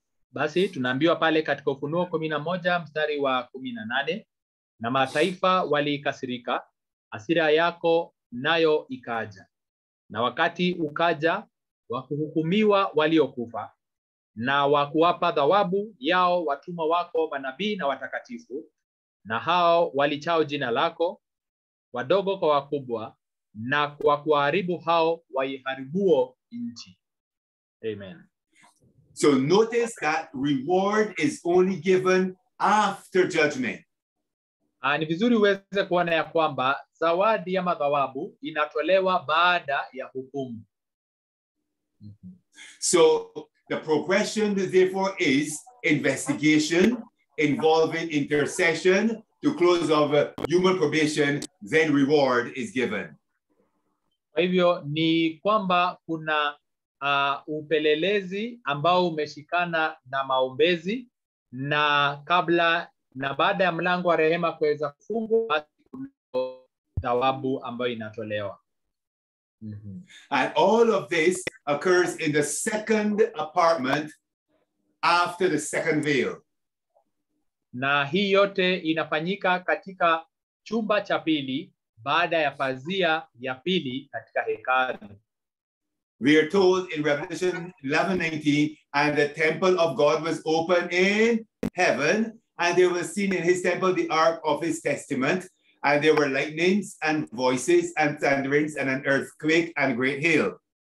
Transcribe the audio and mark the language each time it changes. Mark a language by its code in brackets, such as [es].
[sw] Basi tunaambiwa pale katika Ufunuo 11 mstari wa 18 na mataifa walikasirika hasira yako nayo ikaja na wakati ukaja wa kuhukumiwa waliokufa na wa kuwapa thawabu yao watumwa wako manabii na watakatifu na hao walichao jina lako wadogo kwa wakubwa na kwa kuharibu hao waiharibuo nchi. Amen. [en] So notice that reward is only given after judgment. [sw] Ni vizuri uweze kuona ya kwamba zawadi ya thawabu inatolewa baada ya hukumu. [en] So the progression therefore is investigation involving intercession to close of human probation, then reward is given. [sw] Kwa hivyo ni kwamba kuna upelelezi ambao umeshikana na maombezi na kabla na baada ya mlango wa rehema kuweza kufungwa thawabu ambayo inatolewa. [en] And all of this occurs in the second apartment after the second veil. [sw] Na hii yote inafanyika katika chumba cha pili baada ya pazia ya pili katika hekalu. [en] We are told in Revelation 11:19, and the temple of God was open in heaven, and there was seen in his temple the ark of his testament. And there were lightnings and voices and thunderings and an earthquake and great hail.